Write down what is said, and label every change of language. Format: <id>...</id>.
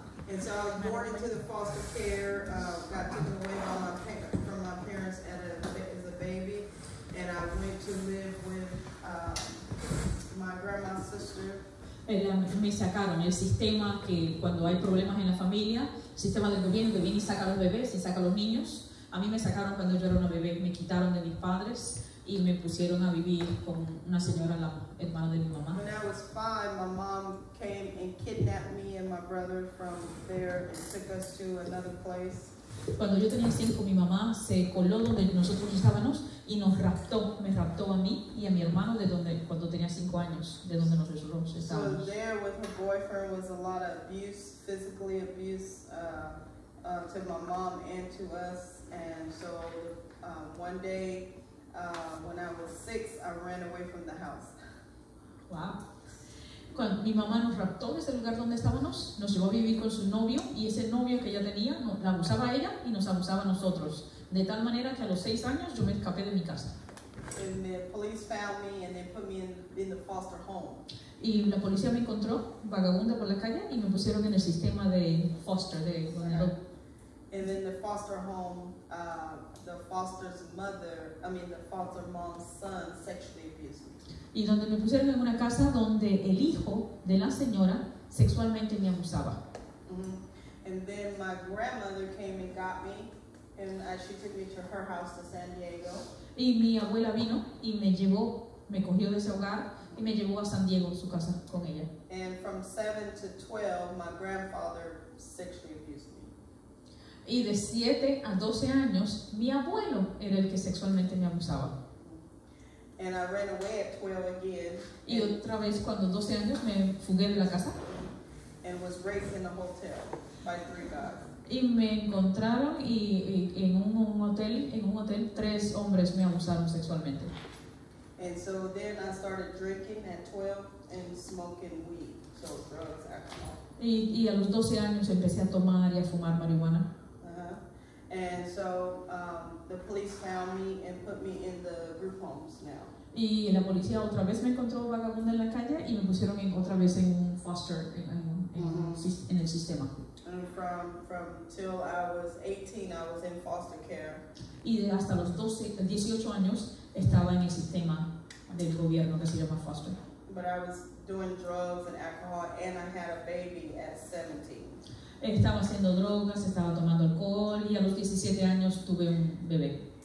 <en>And so I was born into the foster care, got taken away by my from my parents as a baby, and I went to live with my grandma's sister.</en> <es>Me sacaron el sistema que cuando hay problemas en la familia, el sistema del gobierno que viene y saca a los bebés y saca a los niños. A mí me sacaron cuando yo era una bebé, me quitaron de mis padres y me pusieron a vivir con una señora, la hermana de mi mamá.</es> <en>When I was five, my mom came and kidnapped me and my brother from there and took us to another place.</en> <es>Cuando yo tenía 5, mi mamá se coló donde nosotros estábamos y nos raptó, me raptó a mí y a mi hermano de donde, cuando tenía 5 años, de donde nosotros estábamos.</es> <en>So there with her boyfriend was a lot of abuse, physically abuse, to my mom and to us. And so one day, when I was 6, I ran away from the house. Wow.</en> <es>Cuando mi mamá nos raptó desde el lugar donde estábamos, nos llevó a vivir con su novio, y ese novio que ella tenía, la abusaba a ella y nos abusaba a nosotros. De tal manera que a los 6 años yo me escapé de mi casa.</es> <en>And the police found me and they put me in the foster home.</en> <es>Y la policía me encontró vagabunda por la calle y me pusieron en el sistema de foster, de donde yo.</es> <en>And then the foster home, the foster's mother, I mean the foster mom's son sexually abused me.</en> <es>Y donde me pusieron en una casa donde el hijo de la señora sexualmente me abusaba.</es> <en>And then my grandmother came and got me, and she took me to her house to San Diego.</en> <es>Y mi abuela vino y me llevó, me cogió de ese hogar y me llevó a San Diego, su casa, con ella.</es> <en>And from 7 to 12, my grandfather sexually abused me.</en> <es>Y de 7 a 12 años, mi abuelo era el que sexualmente me abusaba.</es> <en>And I ran away at 12 again.</en> <es>Y otra vez cuando 12 años me fugué de la casa.</es> <en>And was raped in a hotel by 3 guys.</en> <es>Y me encontraron y en un hotel 3 hombres me abusaron sexualmente.</es> <en>And so then I started drinking at 12 and smoking weed, so drugs, alcohol.</en> <es>Y a los 12 años empecé a tomar y a fumar marihuana.</es> <en>And so the police found me and put me in the group homes now.</en> <es>Y la policía otra vez me encontró vagabunda en la calle y me pusieron otra vez en un foster, en el sistema.</es> <en>And from till I was 18, I was in foster care.</en> <es>Y de hasta los 18 años estaba en el sistema del gobierno que se llama foster.</es> <en>But I was doing drugs and alcohol and I had a baby at 17.</en> <es>Estaba haciendo drogas, estaba tomando alcohol y a los 17 años tuve un bebé.</es>